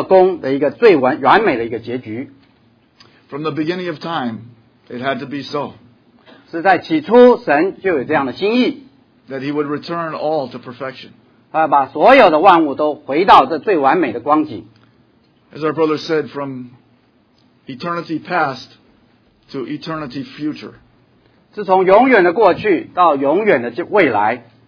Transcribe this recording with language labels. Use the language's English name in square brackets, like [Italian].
[Chinese] 是神创造了工的一个最完美的一个结局。 [English] From the beginning of time, it had to be so. [Chinese] 是在起初神就有这样的心意, [English] that he would return all to perfection. [Chinese] 把所有的万物都回到这最完美的光景。 [English] As our brother said, from eternity past to eternity future. [Chinese] 是从永远的过去到永远的未来。